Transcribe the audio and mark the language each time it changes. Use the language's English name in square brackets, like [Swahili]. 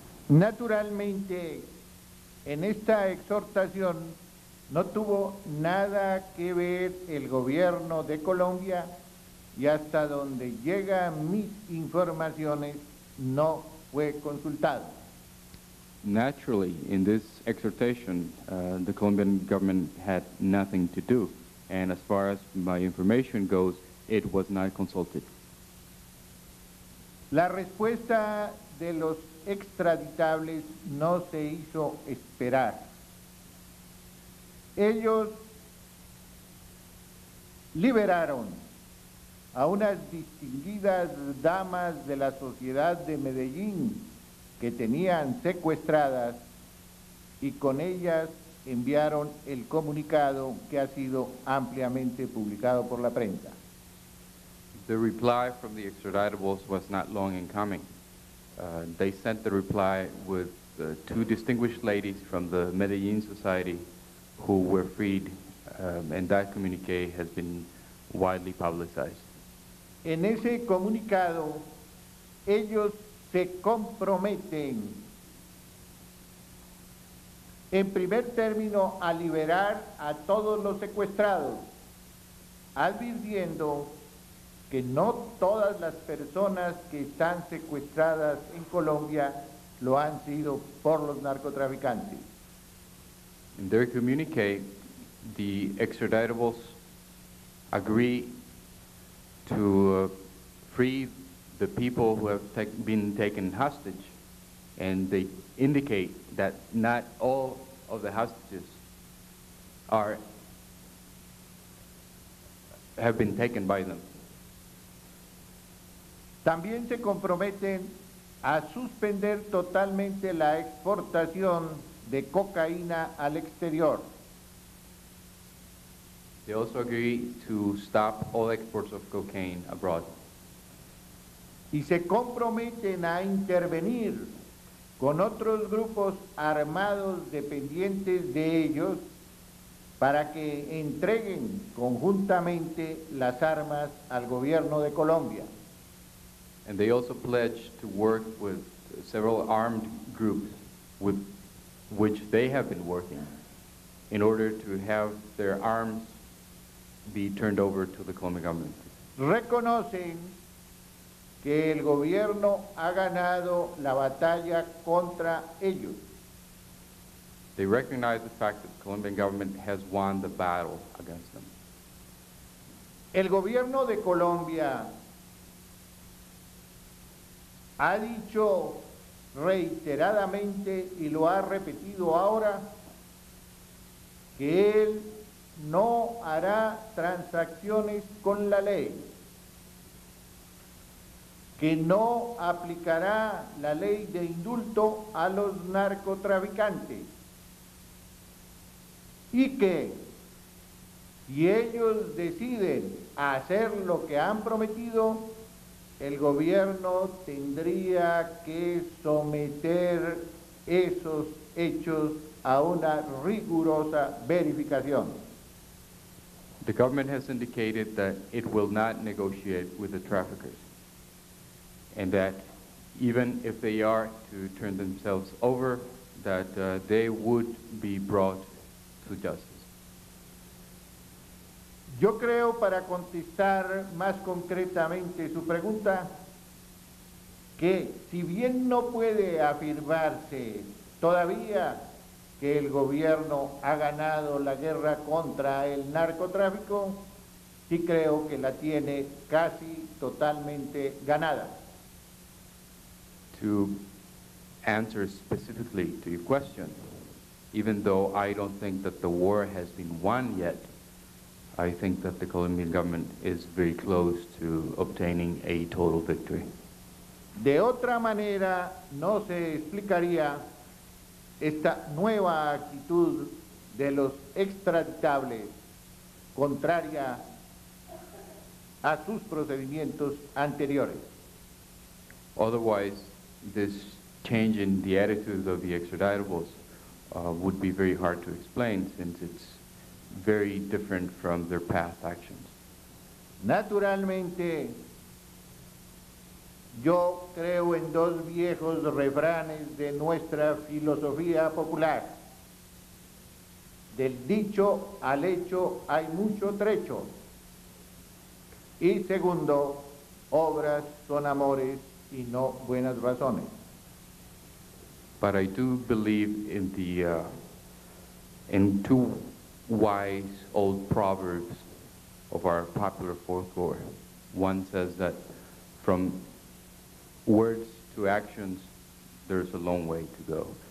[Spanish] Naturalmente, en esta exhortación no tuvo nada que ver el gobierno de Colombia y hasta donde llegan mis informaciones no fue consultado. [English] naturally, in this exhortation, the Colombian government had nothing to do. And as far as my information goes, it was not consulted. [Spanish] La respuesta de los extraditables no se hizo esperar. Ellos liberaron a unas distinguidas damas de la sociedad de Medellín que tenían secuestradas y con ellas enviaron el comunicado que ha sido ampliamente publicado por la prensa. [English] The reply from the extraditables was not long in coming. They sent the reply with two distinguished ladies from the Medellin Society who were freed, and that communique has been widely publicized. [Spanish] En ese comunicado, ellos se comprometen en primer término a liberar a todos los secuestrados, advirtiendo que no todas las personas que están secuestradas en Colombia lo han sido por los narcotraficantes. [English] In their communique, the extraditables agree to free the people who have been taken hostage, and they indicate that not all of the hostages have been taken by them. [Spanish] También se comprometen a suspender totalmente la exportación de cocaína al exterior. [English] They also agree to stop all exports of cocaine abroad. [Spanish] Y se comprometen a intervenir con otros grupos armados dependientes de ellos para que entreguen conjuntamente las armas al gobierno de Colombia. [English] And they also pledge to work with several armed groups with which they have been working in order to have their arms be turned over to the Colombian government. [Spanish] Reconocen que el gobierno ha ganado la batalla contra ellos. [English] They recognize the fact that the Colombian government has won the battle against them. [Spanish] El gobierno de Colombia ha dicho reiteradamente y lo ha repetido ahora que él no hará transacciones con la ley, que no aplicará la ley de indulto a los narcotraficantes y que si ellos deciden hacer lo que han prometido, el gobierno tendría que someter esos hechos a una rigurosa verificación. [English] The government has indicated that it will not negotiate with the traffickers, and that even if they are to turn themselves over, that they would be brought to justice. [Spanish] Yo creo, para contestar más concretamente su pregunta, que si bien no puede afirmarse todavía que el gobierno ha ganado la guerra contra el narcotráfico, sí creo que la tiene casi totalmente ganada. [English] To answer specifically to your question, even though I don't think that the war has been won yet, I think that the Colombian government is very close to obtaining a total victory. [Spanish] De otra manera, no se explicaría esta nueva actitud de los extraditables contraria a sus procedimientos anteriores. [English] Otherwise, this change in the attitude of the extraditables would be very hard to explain, since it's very different from their past actions. [Spanish] Naturalmente, yo creo en dos viejos refranes de nuestra filosofía popular. Del dicho al hecho hay mucho trecho. Y segundo, obras son amores y no buenas razones. [English] but I do believe in the in two wise old proverbs of our popular folklore. One says that from words to actions, there's a long way to go.